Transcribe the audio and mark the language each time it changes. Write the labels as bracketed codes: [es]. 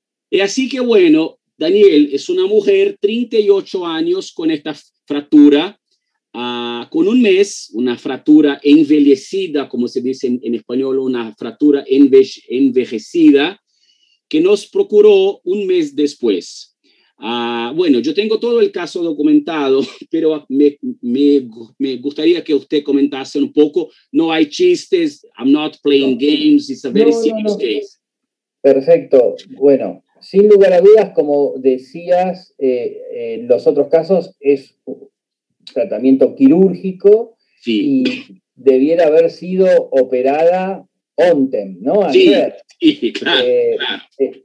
[es] Y así que bueno, Daniel es una mujer, 38 años, con esta fractura, con un mes, una fractura envejecida, como se dice en español, una fractura envejecida, que nos procuró un mes después. Bueno, yo tengo todo el caso documentado, pero me gustaría que usted comentase un poco. No hay chistes, [en] I'm not playing games, it's a very serious case. [es] Perfecto, bueno. Sin lugar a dudas, como decías, en los otros casos es tratamiento quirúrgico sí. Y debiera haber sido operada [pt] ontem, [es] ¿no? Ayer. Sí, sí, claro. Claro.